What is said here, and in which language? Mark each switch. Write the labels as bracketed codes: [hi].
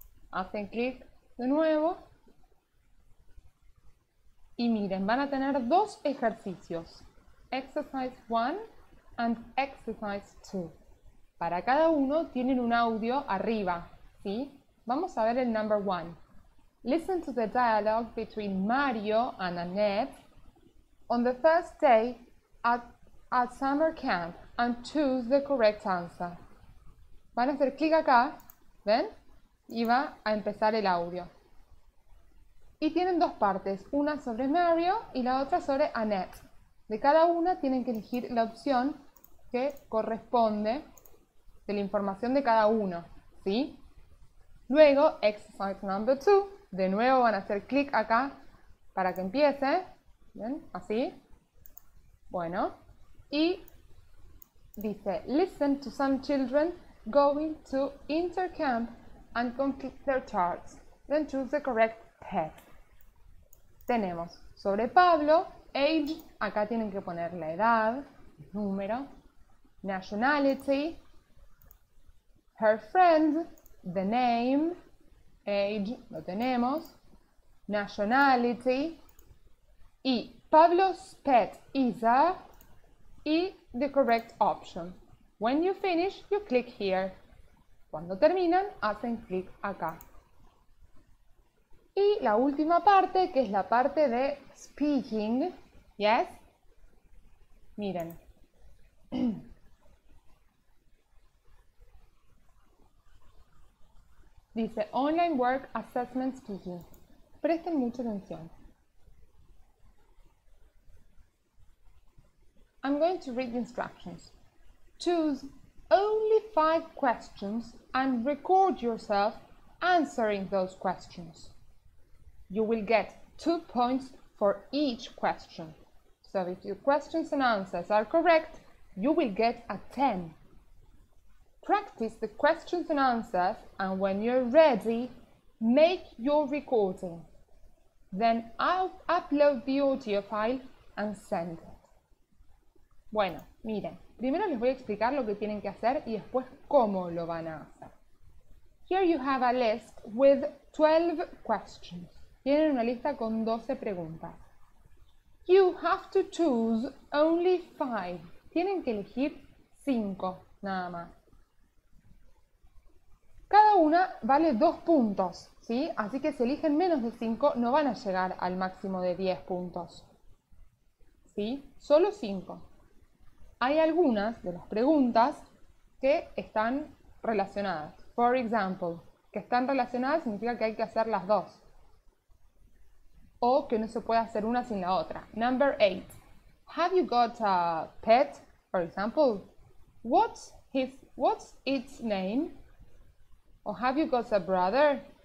[es] Hacen clic de nuevo. Y miren, van a tener dos ejercicios. [en] Exercise 1 and exercise 2. [es] Para cada uno tienen un audio arriba, ¿sí? Vamos a ver el number 1. [en] Listen to the dialogue between Mario and Annette on the first day at summer camp and choose the correct answer. [es] Van a hacer clic acá, ¿ven? Y va a empezar el audio. Y tienen dos partes, una sobre Mario y la otra sobre Annette. De cada una tienen que elegir la opción que corresponde de la información de cada uno, ¿sí? Luego, exercise number 2, de nuevo van a hacer clic acá para que empiece, ¿bien? Así. Bueno, y dice, [en] listen to some children going to intercamp and complete their charts. Then choose the correct pet. [es] Tenemos sobre Pablo, [en] age, [es] acá tienen que poner la edad, número, [en] nationality, her friend, the name, age, [es] lo tenemos, [en] nationality, y Pablo's pet is a, y the correct option. When you finish, you click here. [es] Cuando terminan, hacen clic acá. Y la última parte, que es la parte de speaking, ¿yes? Miren. Dice Online Work Assessment Speaking. Presten mucha atención. [en] I'm going to read the instructions. Choose only 5 questions and record yourself answering those questions. You will get 2 points for each question. So if your questions and answers are correct, you will get a 10. Practice the questions and answers, and when you're ready, make your recording. Then I'll upload the audio file and send it. [es] Bueno, miren, primero les voy a explicar lo que tienen que hacer y después cómo lo van a hacer. [en] Here you have a list with 12 questions. [es] Tienen una lista con 12 preguntas. [en] You have to choose only 5. [es] Tienen que elegir 5, nada más. Cada una vale 2 puntos, ¿sí? Así que si eligen menos de 5, no van a llegar al máximo de 10 puntos. ¿Sí? Solo 5. Hay algunas de las preguntas que están relacionadas. [en] For example, [es] que están relacionadas significa que hay que hacer las dos. O que no se puede hacer una sin la otra. [en] Number 8. Have you got a pet? For example, what's its name? Or have you got a brother?